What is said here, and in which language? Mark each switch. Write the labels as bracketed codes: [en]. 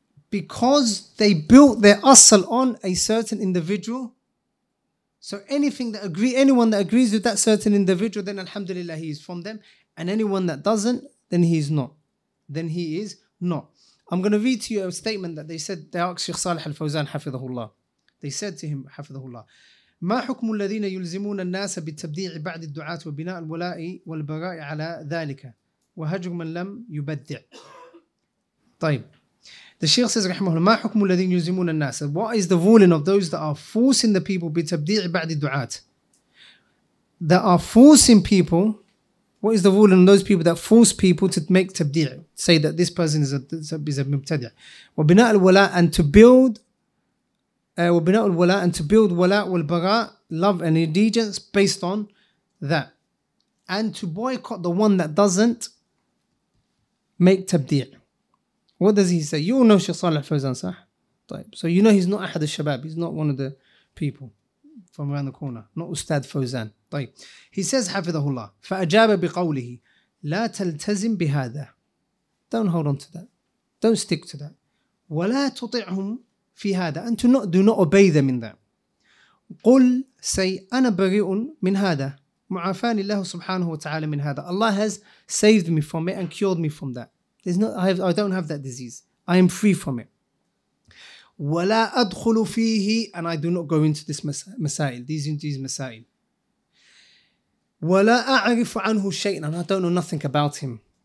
[en] Because they built their asal on a certain individual. So anyone that agrees with that certain individual, then alhamdulillah, he is from them. And anyone that doesn't, then he is not. Then he is not. I'm going to read to you a statement that they said, they asked Sheikh Saleh Al-Fawzan, hafidhahullah. They said to him, [ar] hafidhahullah, ما حكم الذين يلزمون الناس بالتبديع بعد الدعاة وبناء الولاء والبراء على ذلك وهجر من لم يبدع. طيب. [en] The Shaykh says, [ar] رحمه الله, مَا حُكْمُ الَّذِينَ يُزِمُونَ النَّاسَ. [en] What is the ruling of those that are forcing the people [ar] بِتَبْدِيعِ بَعْدِ الدُّعَاتِ? [en] That are forcing people, what is the ruling of those people that force people to make tabdi', say that this person is a mubtadi'? [ar] وَبِنَاءُ الْوَلَاء, [en] and to build, وَبِنَاءُ الْوَلَاء, and to build wala wal-bara, love and allegiance based on that. And to boycott the one that doesn't make tabdi'. What does he say? You know Shaykh Saleh Al-Fawzan, so you know he's not Ahad al-Shabab. He's not one of the people from around the corner. Not Ustad Fawzan. طيب. He says, [ar] حفظه الله. فأجاب بقوله, لا تلتزم بهذا. [en] Don't hold on to that. Don't stick to that. [ar] ولا تطعهم في هذا. [en] And to not, do not obey them in that. [ar] قل, [en] say, [ar] أنا بريء من هذا. معافاني الله سبحانه وتعالى من هذا. [en] Allah has saved me from it and cured me from that. I don't have that disease. I am free from it. [ar] ولا أدخل فيه, [en] and I do not go into this مسائل, these مسائل. [ar] ولا أعرف عنه شيء, [en] and I don't know nothing about him.